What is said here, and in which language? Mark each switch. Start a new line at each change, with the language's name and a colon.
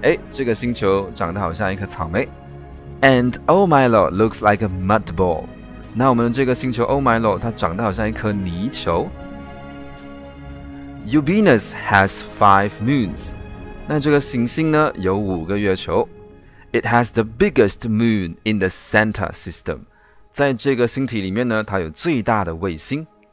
Chinese: 这个星球长得好像一颗草莓。
English: And Omilo looks like a mud ball.
Chinese: 那我们这个星球 Omilo 它长得好像一颗泥球。
English: Eubinus has 5 moons.
Chinese: 那这个行星呢有五个月球。
English: It has the biggest moon in the Santa system.
Chinese: 在这个星体里面呢，它有最大的卫星。